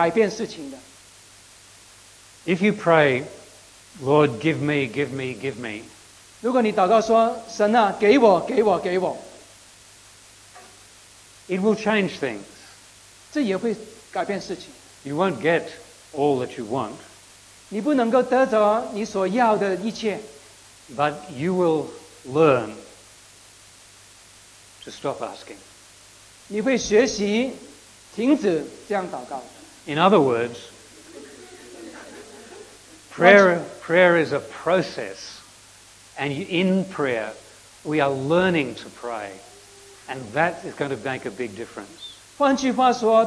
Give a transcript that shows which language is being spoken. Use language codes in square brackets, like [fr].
[zh] 第一就是，当你祷告的时候呢，你是在改变事情的。 [en] If you pray, Lord, give me, give me, give me. [zh] 如果你祷告说，神啊，给我，给我，给我。 [en] It will change things. [zh] 这也会改变事情。 [en] You won't get all that you want. [zh] 你不能够得着你所要的一切。 [en] But you will learn to stop asking. [zh] 你会学习停止这样祷告。 [en] In other words, prayer is a process, and in prayer, we are learning to pray, and that is going to make a big difference.